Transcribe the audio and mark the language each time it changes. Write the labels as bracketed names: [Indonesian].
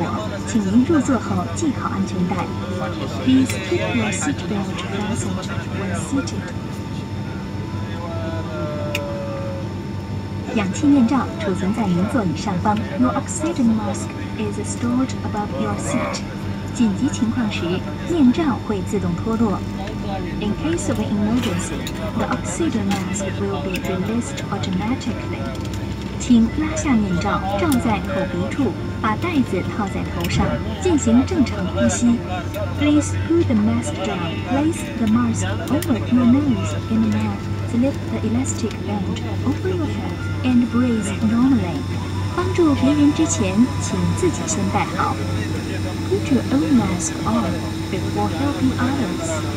[Chinese] 为防止突然颠簸，请您入座后系好安全带。 [English] Please keep your seat belt fastened when seated. [Chinese] 氧气面罩储存在您座椅上方。 [English] Your oxygen mask is stored above your seat. [Chinese] 紧急情况时，面罩会自动脱落。 [English] In case of an emergency, the oxygen mask will be released automatically. [Chinese] 请拉下面罩，罩在口鼻处，把袋子套在头上，进行正常呼吸. [English] Please pull the mask down. Place the mask over your nose and mouth. Slip the elastic band over your head and breathe normally. [Chinese] 帮助别人之前，请自己先戴好. [English] Put your own mask on before helping others.